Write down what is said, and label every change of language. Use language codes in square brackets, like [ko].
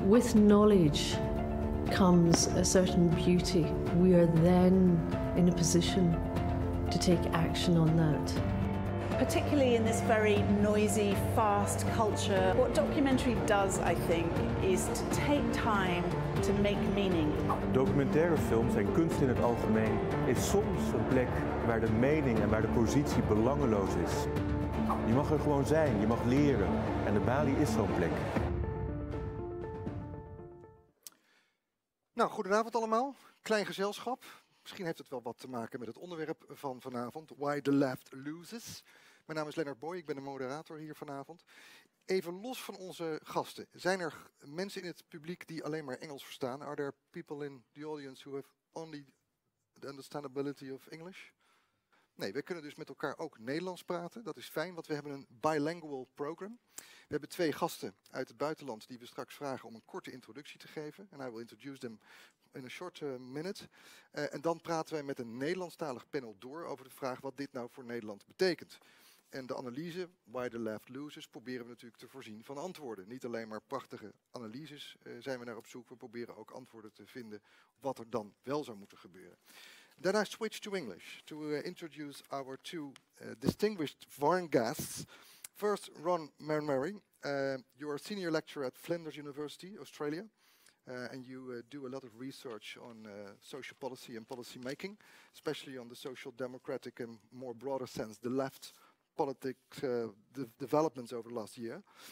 [en] With knowledge comes a certain beauty. We are then in a position to take action on that. Particularly in this very noisy, fast culture, what documentary does, I think, is to take time to make meaning. [nl] Documentaire films en kunst in het algemeen is soms een plek waar de mening en waar de positie belangeloos is. Je mag er gewoon zijn, je mag leren. En de Bali is zo'n plek. Nou, goedenavond allemaal. Klein gezelschap. Misschien heeft het wel wat te maken met het onderwerp van vanavond, Why the Left Loses. Mijn naam is Lennart Boy, ik ben de moderator hier vanavond. Even los van onze gasten, zijn er mensen in het publiek die alleen maar Engels verstaan? [en] Are there people in the audience who have only the understandability of English? [nl] Nee, we kunnen dus met elkaar ook Nederlands praten. Dat is fijn, want we hebben een bilingual program. We hebben twee gasten uit het buitenland die we straks vragen om een korte introductie te geven. [en] And I will introduce them in a short minute. [nl] En dan praten wij met een Nederlandstalig panel door over de vraag wat dit nou voor Nederland betekent. En de analyse, Why the Left Loses, proberen we natuurlijk te voorzien van antwoorden. Niet alleen maar prachtige analyses zijn we naar op zoek. We proberen ook antwoorden te vinden wat er dan wel zou moeten gebeuren. [en] Then I switch to English to introduce our two distinguished foreign guests. First, Ron Marmary, you are a senior lecturer at Flinders University, Australia. And you do a lot of research on social policy and policy making, especially on the social democratic and more broader sense, the left politics developments over the last year.